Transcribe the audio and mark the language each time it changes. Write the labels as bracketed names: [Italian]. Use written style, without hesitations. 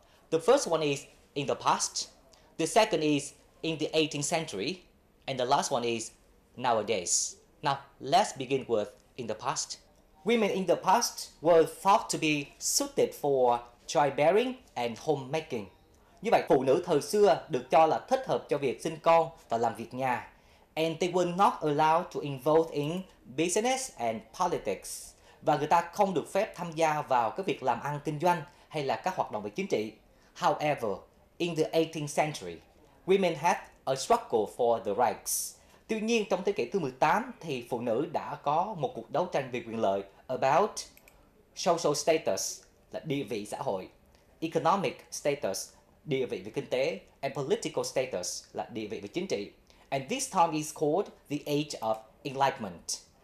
[English] The first one is in the past, the second is in the 18th century, and the last one is nowadays. Now, let's begin with in the past. Women in the past were thought to be suited for childbearing and homemaking. [Vietnamese] Như vậy, phụ nữ thời xưa được cho là thích hợp cho việc sinh con và làm việc nhà. [English] And they were not allowed to involve in business and politics. [Vietnamese] Và người ta không được phép tham gia vào các việc làm ăn kinh doanh hay là các hoạt động về chính trị. [English] However, in the 18th century, women had a struggle for the rights. [Vietnamese] Tuy nhiên, trong thế kỷ thứ 18 thì phụ nữ đã có một cuộc đấu tranh về quyền lợi [English] about social status, [Vietnamese] là địa vị xã hội, [English] economic status, [Vietnamese] địa vị về kinh tế, [English] and political status, [Vietnamese] là địa vị về chính trị. [English] And this time is called the Age of Enlightenment.